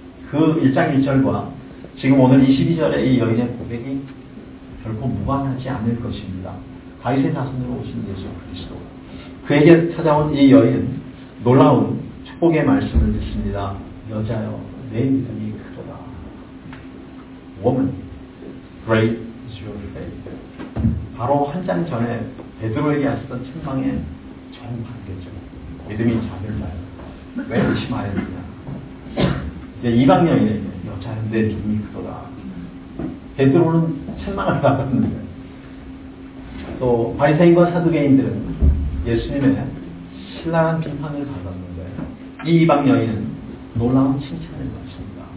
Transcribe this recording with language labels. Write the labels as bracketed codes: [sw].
[ko] 그 1장 1절과 지금 오늘 22절의 이 여인의 고백이 결코 무관하지 않을 것입니다. 다윗의 자손으로 오신 예수 그리스도. 그에게 찾아온 이 여인, 놀라운 축복의 말씀을 듣습니다. 여자여, 내 믿음이 크도다. [en] Woman, great is your faith. [ko] 바로 한 장 전에 베드로에게 하셨던 책망의 정반대죠. 믿음이 작을까요? 왜 의심하였느냐? 이제 이방 여인에게 여자여, 내 믿음이 크도다. 베드로는 책망을 받았는데, 또 바리새인과 사두개인들은 예수님의 신랄한 비판을 받았는데, 이 이방 여인은 놀라운 칭찬을 받습니다.